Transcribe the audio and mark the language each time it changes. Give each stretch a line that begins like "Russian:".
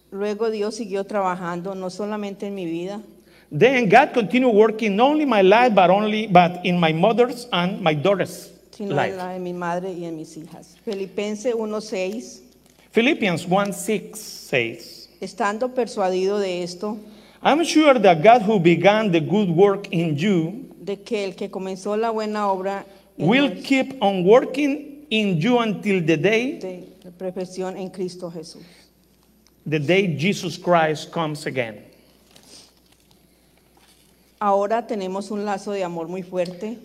Spanish: Luego Dios siguió trabajando no solamente en mi vida.
English: Then God continued working not only in my life but in my mother's and my daughter's
Spanish: sino
English: life.
Spanish: Sino en mi madre y en mis hijas. Filipenses 1:6.
English: Philippians 1:6 says.
Spanish: Estando persuadido de esto.
English: I'm sure that God who began the good work in you.
Spanish: De que el que comenzó la buena obra.
English: Will keep on working in you until the day
Spanish: de perfección en Cristo Jesús.
English: The day Jesus Christ comes again.
Spanish: Ahora tenemos un lazo de amor muy fuerte.